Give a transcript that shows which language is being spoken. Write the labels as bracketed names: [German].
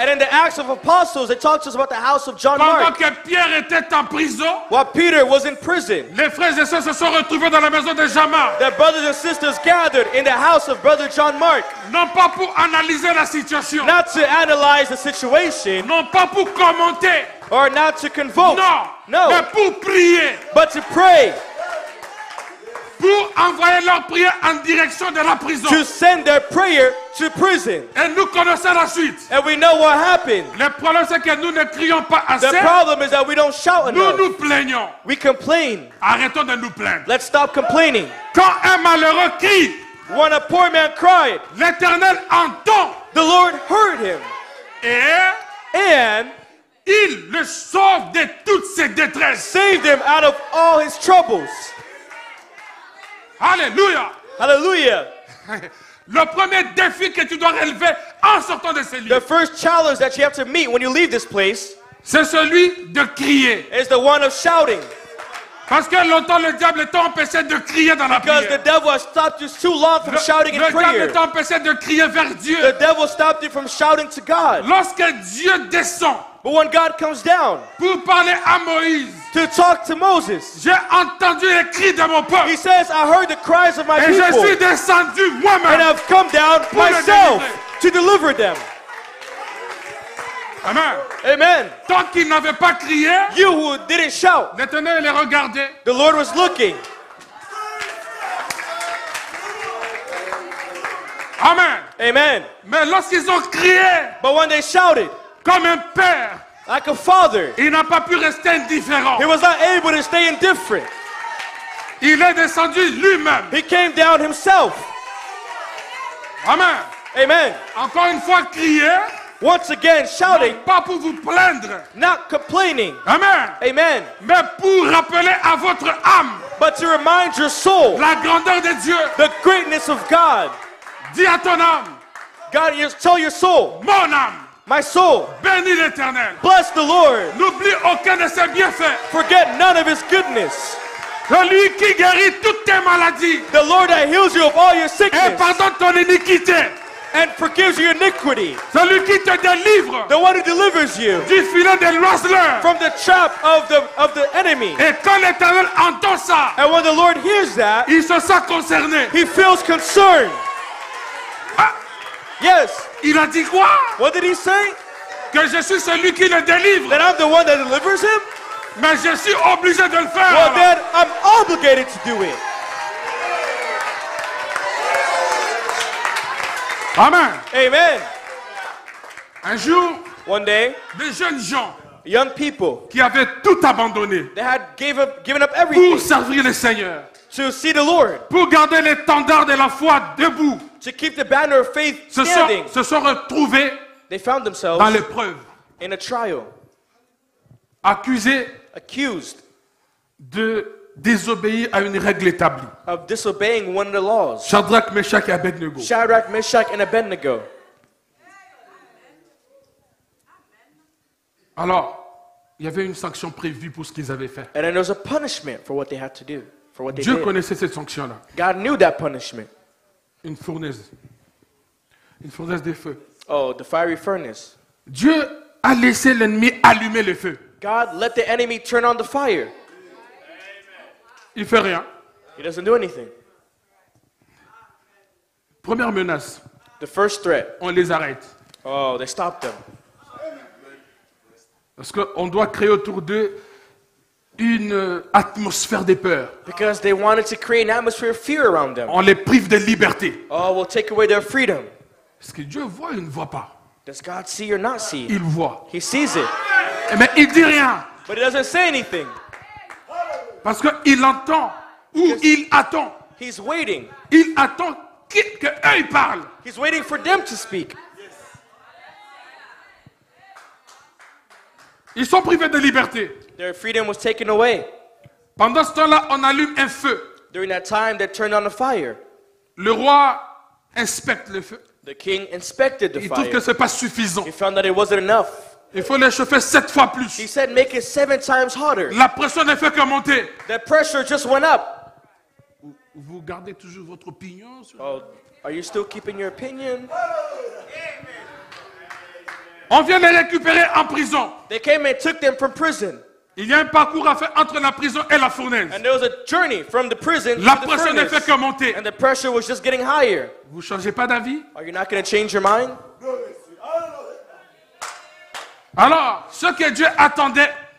[English] And in the Acts of Apostles, it talks to us about the house of John [French] Pendant [English] Mark. [French] Pendant que Pierre était en prison, [English] while Peter was in prison, [French] les frères et sœurs se sont retrouvés dans la maison de Jean-Marc. [English] The brothers and sisters gathered in the house of Brother John Mark. [French] Non pas pour analyser la situation. [English] Not to analyze the situation. [French] Non pas pour commenter. [English] Or not to convoke. [French] Non. [English] No. [French] Mais pour prier. [English] But to pray. [French] Pour envoyer leur prière en direction de la prison. [English] To send their prayer to prison. [French] Et nous connaissons la suite. [English] And we know what happened. [French] Le problème c'est que nous ne crions pas assez. [English] The problem is that we don't shout enough. [French] Nous nous plaignons. [English] We complain. [French] Arrêtons de nous plaindre. [English] Let's stop complaining. [French] Quand un malheureux crie, [English] when a poor man cried, [French] l'Éternel entend. [English] The Lord heard him. [French] And il le sauve de toutes ses détresses. [English] Saved him out of all his troubles. Alléluia. Alléluia. [French] Le premier défi que tu dois relever en sortant de ce lieu. [English] The first challenge that you have to meet when you leave this place. [French] C'est celui de crier. [English] Is the one of shouting. [French] Parce que longtemps le diable t'a empêché de crier dans la prière. [English] Because the devil has stopped you too long from shouting in prayer. [French] Le diable t'a empêché de crier vers Dieu. [English] The devil stopped you from shouting to God. [French] Lorsque Dieu descend. [English] But when God comes down, [French] pour parler à Moïse, [English] to talk to Moses, [French] j'ai entendu les cris de mon peuple. [English] He says, I heard the cries of my [French] et [English] people. [French] Je suis descendu moi-même, [English] and I've come down myself to deliver them. Amen. Amen. [French] Tant qu'il n'avait pas crié, [English] you who didn't shout, [French] l'Éternel les regardait. [English] The Lord was looking. Amen. Amen. [French] Mais lorsqu'ils ont crié, [English] but when they shouted, [French] comme un père, [English] like a father, [French] il n'a pas pu rester indifférent. [English] He was not able to stay indifferent. [French] Il est descendu lui-même. [English] He came down himself. Amen. Amen. [French] Encore une fois, crier. [English] Once again, shouting. [French] Non, pas pour vous plaindre. [English] Not complaining. Amen. Amen. [French] Mais pour rappeler à votre âme. [English] But to remind your soul. [French] La grandeur de Dieu. [English] The greatness of God. [French] Dis à ton âme. [English] God, you tell your soul. [French] Mon âme. [English] My soul, [French] bénis l'Éternel. [English] Bless the Lord. [French] N'oublie aucun de ses bienfaits. [English] Forget none of his goodness. [French] Celui qui guérit toutes tes maladies. [English] The Lord that heals you of all your sickness. [French] Et pardonne ton iniquité. [English] And forgives your iniquity. [French] Celui qui te délivre. [English] The one who delivers you. [French] Du filet de l'oiseleur. [English] From the trap of the enemy. [French] Et quand l'Éternel entend ça. [English] And when the Lord hears that. [French] Il se sent concerné. [English] He feels concerned. Yes. [French] Il a dit quoi? [English] What did he say? [French] Que je suis celui qui le délivre. [English] That I'm the one that delivers him? [French] Mais je suis obligé de le faire. [English] Well, then I'm obligated to do it. Amen. Amen. [French] Un jour, [English] one day, [French] des jeunes gens, [English] young people, [French] qui avaient tout abandonné, [English] they had given up everything, [French] pour servir le Seigneur, [English] to see the Lord, [French] pour garder l'étendard de la foi debout, [English] to keep the banner of faith standing, [French] se sont retrouvés, [English] they found themselves, [French] dans l'épreuve, [English] in a trial, [French] accusés, [English] accused, [French] de désobéir à une règle établie, [English] of disobeying one of the laws, [French] Shadrach, Meshach et Abednego, [English] Shadrach, Meshach and Abednego. [French] Alors, il y avait une sanction prévue pour ce qu'ils avaient fait. [English] And then there was a punishment for what they had to do, for what they [French] Dieu [English] did. [French] Connaissait cette sanction-là. [English] God knew that punishment. [French] Une fournaise de feu. [English] Oh, the fiery furnace. [French] Dieu a laissé l'ennemi allumer le feu. [English] God let the enemy turn on the fire. [French] Il fait rien. [English] He doesn't do anything. [French] Première menace. [English] The first threat. [French] On les arrête. [English] Oh, they stopped them. [French] Parce qu'on doit créer autour d'eux une atmosphère de peur. [English] Because they wanted to create an atmosphere of fear around them. [French] On les prive de liberté. [English] Oh, we'll take away their freedom. [French] Est-ce que Dieu voit ou ne voit pas? [English] Does God see or not see? [French] Il voit. [English] He sees it. [French] Mais il dit rien. [English] But he doesn't say anything. [French] Parce qu'il entend ou il attend. [English] He's waiting. [French] Il attend qu'eux parlent. [English] He's waiting for them to speak. [French] Ils sont privés de liberté. [English] Their freedom was taken away. [French] Pendant ce temps-là, on allume un feu. [English] During that time, they turned on a fire. [French] Le roi inspecte le feu. [English] The king inspected the [French] fire. Il trouve que ce n'est pas suffisant. [English] He found that it wasn't enough. [French] Il faut le chauffer 7 fois plus. [English] He said, make it 7 times hotter. [French] La pression ne fait que monter. [English] The pressure just went up. [French] Vous gardez toujours votre opinion sur... [English] Oh, are you still keeping your opinion? [French] On vient les récupérer en prison. [English] They came and took them from prison. [French] Il y a un parcours à faire entre la prison et la fournaise. [English] And there was a journey from the prison [French] la [English] to the furnace. [French] La pression ne fait que monter. [English] And the pressure was just getting higher. [French] Vous changez pas d'avis? [English] Are you not going to change your mind? [French] Alors, ce que Dieu attendait,